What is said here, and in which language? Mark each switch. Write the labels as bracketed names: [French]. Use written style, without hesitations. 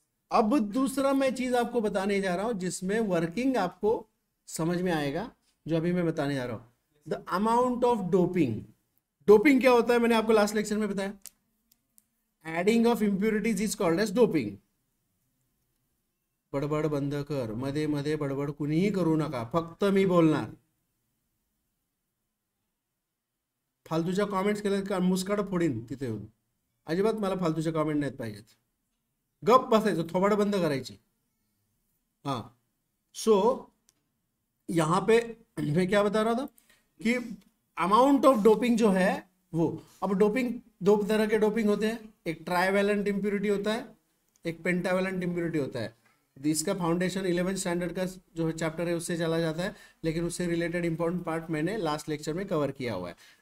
[Hindi] अब दूसरा मैं चीज आपको बताने जा रहा हूँ जिसमें वर्किंग आपको समझ में आएगा, जो अभी मैं बताने जा रहा हूँ, the amount of doping. Doping क्या होता है, मैंने आपको लास्ट लेक्चर में बताया, [English] Adding of impurities is called as doping. [Marathi] बड़बड़ बंद कर, मधे मधे बड़बड़ कुणीही करू नका, फक्त मी बोलणार, फालतूच्या कॉमेंट्स केले का मुस्काड फोडीन तिथे येऊन, अजिबात मला फालतूच्या कॉमेंट नाहीत पाहिजेत, गप बसायचं, थोबाड बंद करायची। [Hindi] हाँ, सो यहाँ पे मैं क्या बता रहा था कि अमाउंट ऑफ डोपिंग जो है वो, अब डोपिंग दो तरह के डोपिंग होते हैं, एक ट्राईवेलेंट इम्प्योरिटी होता है, एक पेंटावेलेंट इम्प्योरिटी होता है। इसका फाउंडेशन 11th स्टैंडर्ड का जो चैप्टर है उससे चला जाता है, लेकिन उससे रिलेटेड इंपॉर्टेंट पार्ट मैंने लास्ट लेक्चर में कवर किया हुआ है।